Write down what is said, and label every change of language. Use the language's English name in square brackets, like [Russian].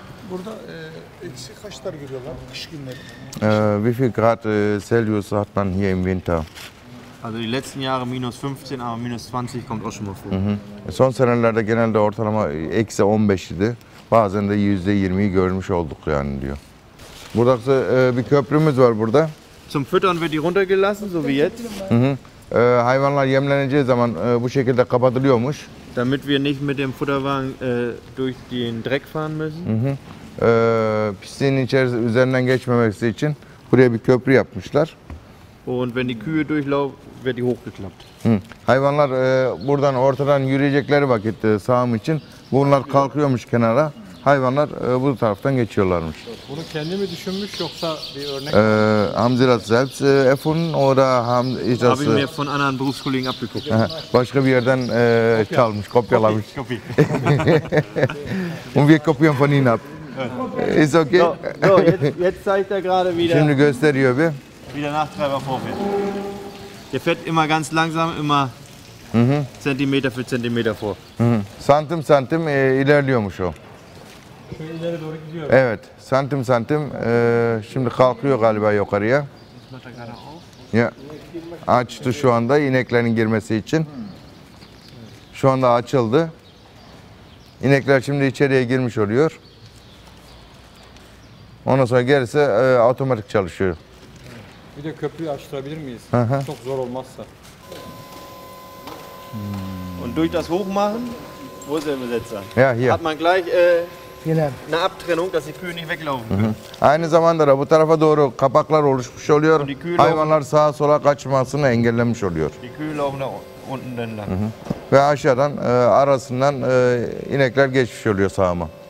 [Turkish] Burada eksi kaçlar görüyorlar kış günleri? [German] Wie viel Grad Celsius hat man hier im Winter? Also die letzten Jahre minus 15, aber minus 20 kommt auch schon mal vor. [Turkish] Son senelerde genelde ortalama eksi 15 idi. Bazen de %20'yi görmüş olduk yani diyor. Burada bir köprümüz var burada. [German] Zum füttern wird die runtergelassen, so wie jetzt. [Turkish] Hayvanlar yemleneceği zaman bu şekilde kapatılıyormuş. [German] Damit wir nicht mit dem Futterwagen durch den Dreck fahren müssen. [Turkish] Pisliğin içerisinde üzerinden geçmemesi için buraya bir köprü yapmışlar. [German] Und wenn die Kühe durchlaufen, wird die hochgeklappt. [Turkish] Hayvanlar buradan ortadan yürüyecekleri vakit sağım için bunlar kalkıyormuş kenara. Hayvanlar bu taraftan geçiyorlarmış. Bunu kendi mi düşünmüş yoksa bir örnek? [German] Haben Sie das selbst erfunden oder haben Sie das? Habe ich mir von anderen Berufskollegen abgeguckt. [Turkish] Başka bir yerden çalmış, kopyalamış. Kopi. [German] Und wir kopieren von Ihnen ab. Ist okay. So, jetzt zeigt gerade wieder. [Turkish] Şimdi gösteriyor bir. [German] Wieder Nachtreiber vorfährt. Der fährt immer ganz langsam, immer Zentimeter für Zentimeter vor. [Turkish] Santim santim ilerliyormuş o. Şöyle ileri doğru gidiyor. Evet, santim santim. Şimdi kalkıyor galiba yukarıya. Ya. Açtı şu anda ineklerin girmesi için. Şu anda açıldı. İnekler şimdi içeriye girmiş oluyor. Ondan sonra gerisi otomatik çalışıyor. Bir de köprüyü açtırabilir miyiz? Çok zor olmazsa. [German] Und durch das Hochmachen, wo ist der Besetzer? Ja, hier. Hat man gleich eine Abtrennung, dass die Kühe nicht weglaufen können. [Turkish] Aynı zamanda da bu tarafa doğru kapaklar oluşmuş oluyor. Hayvanlar sağa sola kaçmasını engellemiş oluyor. [German] Die Kühe laufen da unten dönler. [Turkish] Ve aşağıdan arasından inekler geçmiş oluyor sağıma.